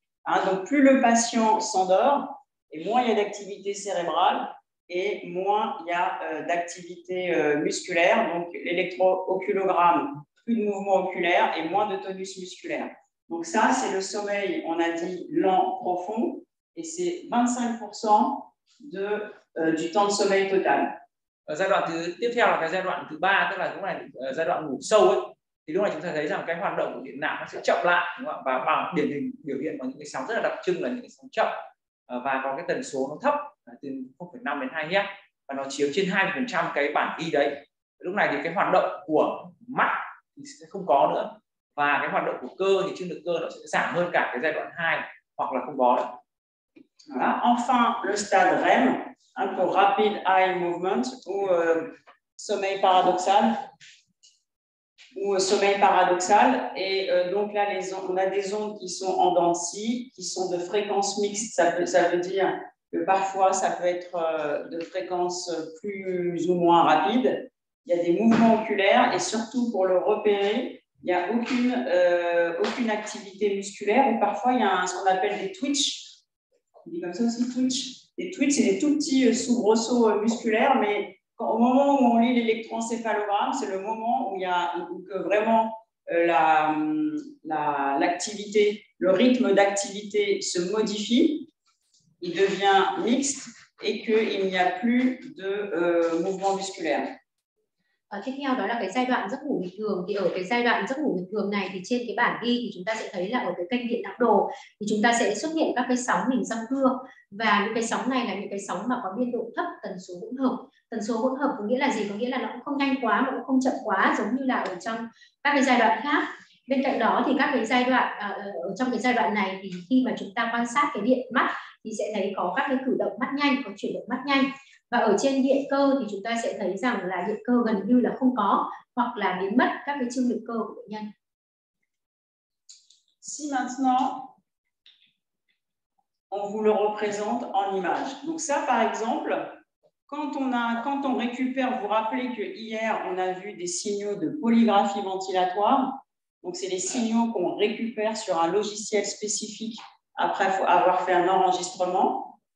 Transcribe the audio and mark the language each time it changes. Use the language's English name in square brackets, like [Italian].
[French] Hein, donc, plus le patient s'endort, et moins il y a d'activité cérébrale, et moins il y a d'activité musculaire. Donc, l'électro-oculogramme, plus de mouvement oculaire et moins de tonus musculaire. Donc ça, c'est le sommeil, on a dit, lent, profond, et c'est 25% du temps de sommeil total. [Vietnamese] Giai đoạn tiếp theo là cái giai đoạn thứ 3, tức là lúc này giai đoạn ngủ sâu ấy, thì lúc này chúng ta thấy rằng cái hoạt động của điện não nó sẽ chậm lại, đúng không? Và bằng điển hình biểu hiện bằng những cái sóng rất là đặc trưng là những cái sóng chậm và có cái tần số nó thấp từ 0,5 đến 2 Hz và nó chiếm trên 20% cái bản ghi đấy. Lúc này thì cái hoạt động của mắt thì sẽ không có nữa và cái hoạt động của cơ thì chức năng cơ nó sẽ giảm hơn cả cái giai đoạn 2 hoặc là không có nữa. Voilà. [French] Enfin, le stade REM, un peu [English] rapid eye movement [French] ou sommeil paradoxal ou sommeil paradoxal et donc là les ondes, on a des ondes qui sont en dents de scie, qui sont de fréquence mixte, ça veut dire que parfois ça peut être de fréquence plus ou moins rapide. Il y a des mouvements oculaires et surtout pour le repérer, il n'y a aucune activité musculaire. Et parfois, il y a ce qu'on appelle des twitch. On dit comme ça aussi, twitch. Les twitch, c'est des tout petits soubresauts musculaires, mais au moment où on lit l'électroencéphalogramme, c'est le moment où il y a vraiment l'activité, le rythme d'activité se modifie, il devient mixte et qu'il n'y a plus de mouvement musculaire. [Vietnamese] Tiếp theo đó là cái giai đoạn giấc ngủ bình thường. Thì ở cái giai đoạn giấc ngủ bình thường này thì trên cái bản ghi thì chúng ta sẽ thấy là ở cái kênh điện não đồ thì chúng ta sẽ xuất hiện các cái sóng hình răng cưa và những cái sóng này là những cái sóng mà có biên độ thấp, tần số hỗn hợp. Tần số hỗn hợp có nghĩa là gì? Có nghĩa là nó cũng không nhanh quá mà cũng không chậm quá giống như là ở trong các cái giai đoạn khác. Bên cạnh đó thì các cái giai đoạn ở trong cái giai đoạn này thì khi mà chúng ta quan sát cái điện mắt thì sẽ thấy có các cái cử động mắt nhanh, có chuyển động mắt nhanh. Và ở trên điện cơ thì chúng ta sẽ thấy rằng là điện cơ gần như là không có hoặc là biến mất các cái trương lực cơ của bệnh nhân. [French] Si maintenant on vous le représente en image. Donc ça par exemple, quand on récupère, vous rappelez que hier on a vu des signaux de polygraphie ventilatoire. Donc c'est les signaux qu'on récupère sur un logiciel spécifique après avoir fait un enregistrement.